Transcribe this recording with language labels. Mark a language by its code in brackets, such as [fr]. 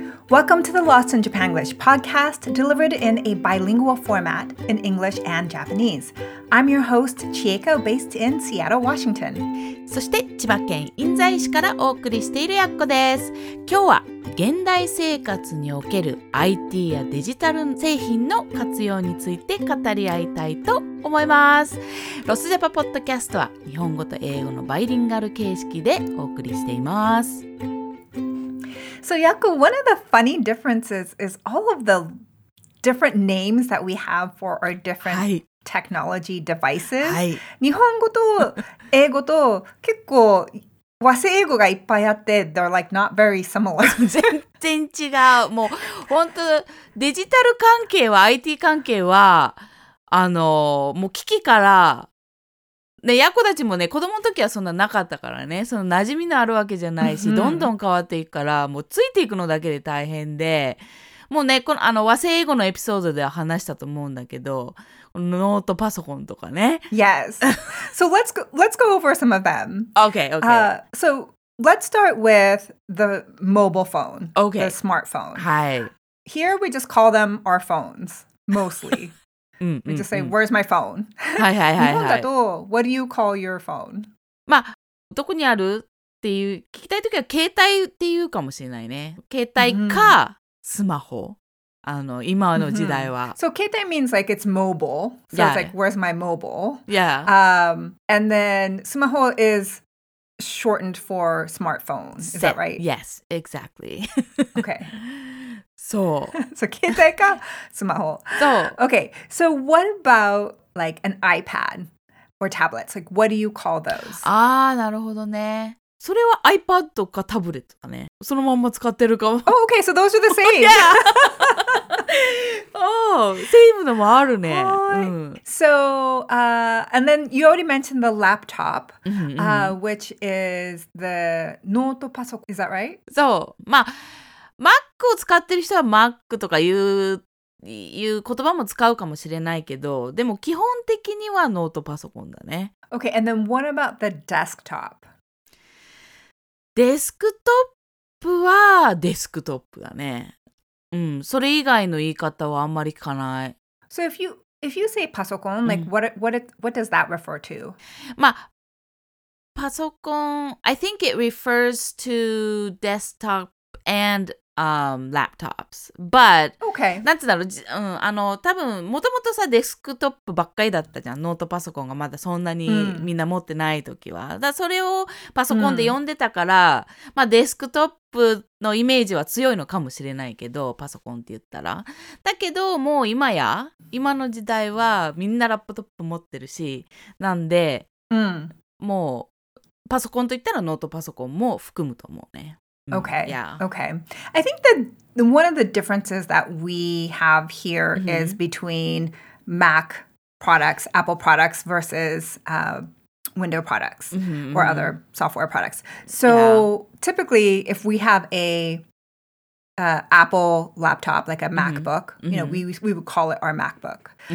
[en] Welcome to the Lost in Japanglish podcast, delivered in a bilingual format in English and Japanese. I'm your host, Chieko, based in Seattle, Washington. [ja] そして千葉県印西市からお送りしているやっこです。今日は現代生活における IT やデジタル製品の活用について語り合いたいと思います。ロスジャパポッドキャストは日本語と英語のバイリンガル形式でお送りしています。 [en] So Yaku, one of the funny differences is all of the different names that we have for our different technology devices. [ja] 日本語と英語と結構和製英語がいっぱいあって、 [en] they're like not very similar. [ja] 全然違う。もう本当デジタル関係は IT 関係はあのもう機器からね、ヤコたちもね、子供の時はそんななかったからね、その馴染みのあるわけじゃないし、どんどん変わっていくから、もうついていくのだけで大変で、もうね、この、あの、和製英語のエピソードでは話したと思うんだけど、ノートパソコンとかね。 [en] Yes. So let's go over some of them. Okay, okay. So let's start with the mobile phone. Okay. The smartphone. [ja] はい。 [en] Here we just call them our phones, mostly. We just say, where's my phone? [ja] はいはいはい、はい、日本だと、 [en] what do you call your phone? [ja] まあ、どこにあるっていう、聞きたいときは携帯っていうかもしれないね。携帯か、スマホ。あの、今の時代は。Mm-hmm. [en] So, 携帯 means like it's mobile. So, yeah. It's like, where's my mobile? Yeah. And then, スマホ is shortened for smartphone. Is that right? Yes, exactly. Okay. [ja] そう。そう、携帯かスマホ。そう。 [en] Okay, so what about like an iPad or tablets? Like, what do you call those? [ja] ああ、なるほどね。それは iPad かタブレットかね。そのまんま使ってるかも。 [en] Oh, okay, so those are the same. Yeah! Oh, same [ja] のもあるね。 [en] So, and then you already mentioned the laptop, which is the ノートパソコン。 Is that right? [ja] そう。まあ、Mac を使ってる人は Mac とかいう言葉も使うかもしれないけど、でも基本的にはノートパソコンだね。 [en] Okay, and then what about the desktop? [ja] デスクトップはデスクトップだね。うん、それ以外の言い方はあんまり聞かない。 [en] So if you say パソコン、like what does that refer to? まあ、パソコン、I think it refers to desktop. And laptops. But, okay. [ja] なんつだろう、うん、あの、多分、もともとさ、デスクトップばっかりだったじゃん。ノートパソコンがまだそんなにみんな持ってない時は。だそれをパソコンで読んでたから、まあ、デスクトップのイメージは強いのかもしれないけど、パソコンって言ったら。だけど、もう今や、今の時代はみんなラップトップ持ってるし、なんで、もう、パソコンといったらノートパソコンも含むと思うね。 [en] Okay. Yeah. Okay. I think that one of the differences that we have here is between Mac products, Apple products versus Windows products or other software products. So typically, if we have a Apple laptop, like a MacBook, you know, we would call it our MacBook.